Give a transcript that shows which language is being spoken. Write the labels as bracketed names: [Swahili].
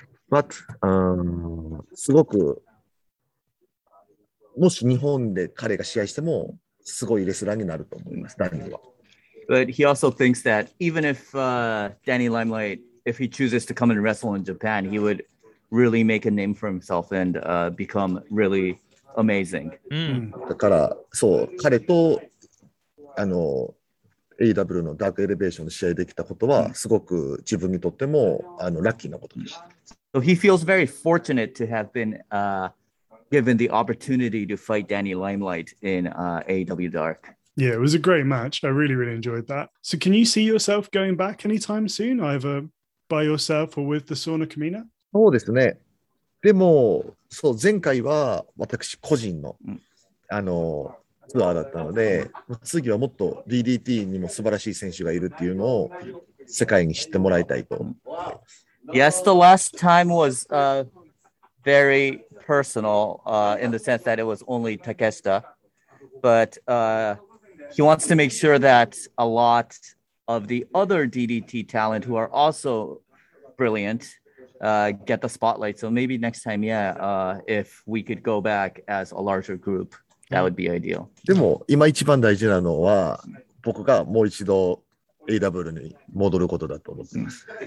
[Japanese] But すごくもし日本で彼が試合してもすごいレスラーになると思います。ダニーは。 [English] But he also thinks that even if Danny Limelight, if he chooses to come and wrestle in Japan, he would really make a name for himself and become really amazing.、 Mm. [Japanese] だから、そう、彼とあの AW のダークエレベーションで試合できたことは、mm. すごく自分にとってもあのラッキーなことでした。 [English] So he feels very fortunate to have been given the opportunity to fight Danny Limelight in AW Dark. Yeah, it was a great match. I really, really enjoyed that. So can you see yourself going back anytime soon, either by yourself or with the Sauna Kamina? [Japanese] そうですね。でも、そう、前回は私個人の、あの、ツアーだったので、次はもっと DDT にも素晴らしい選手がいるっていうのを世界に知ってもらいたいと。 [English] Yes, the last time was very personal, in the sense that it was only Takeshita. But, He wants to make sure that a lot of the other DDT talent who are also brilliant get the spotlight. So maybe next time, yeah, if we could go back as a larger group, that would be ideal. [Japanese] でも今一番大事なのは僕がもう一度 AW に戻ることだと思っています。